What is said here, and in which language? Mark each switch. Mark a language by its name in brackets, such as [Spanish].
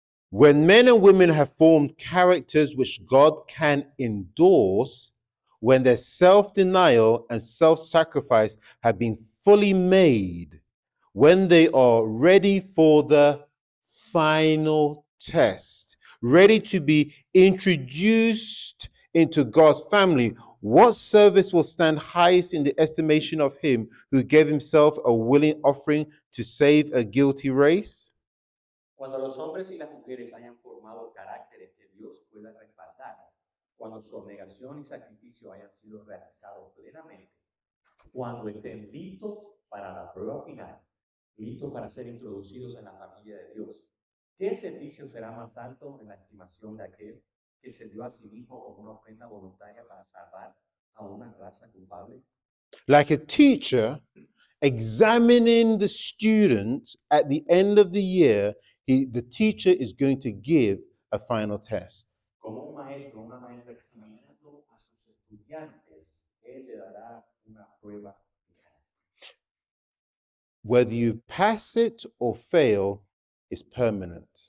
[English] When men and women have formed characters which God can endorse, when their self-denial and self-sacrifice have been fully made, when they are ready for the final test, ready to be introduced into God's family, what service will stand highest in the estimation of him who gave himself a willing offering to save a guilty race? [Spanish] Cuando los hombres y las mujeres hayan formado caracteres que Dios pueda respaldar, cuando su negación y sacrificio hayan sido realizados plenamente, cuando estén listos para la prueba final, listos para ser introducidos en la familia de Dios, ¿qué servicio será más alto en la estimación de aquel que se dio a sí mismo como una ofrenda voluntaria para salvar a una raza culpable? [English] Like a teacher examining the students at the end of the year, the teacher is going to give a final test. [Spanish] Como un maestro, una maestra examinando a sus estudiantes, él le dará una prueba. [English] Whether you pass it or fail is permanent.